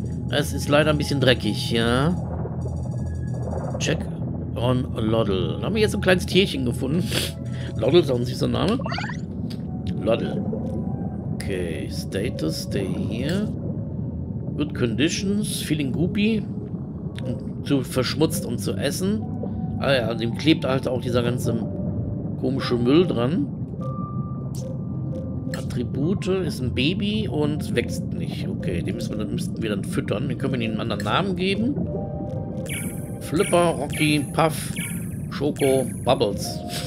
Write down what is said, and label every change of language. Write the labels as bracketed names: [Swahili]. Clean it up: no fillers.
[German] Es ist leider ein bisschen dreckig, ja. Check on Loddle. Da haben wir jetzt ein kleines Tierchen gefunden. Loddle ist auch ein süßer Name. Loddle. Okay. [English] Okay, Status, stay here. Good conditions, feeling goopy. [German] Und zu verschmutzt, um zu essen. Ah ja, dem klebt halt auch dieser ganze komische Müll dran. Attribute, ist ein Baby und wächst nicht. Okay, den müssten wir dann füttern. Den können wir ihm einen anderen Namen geben. Flipper, Rocky, Puff, Schoko, Bubbles.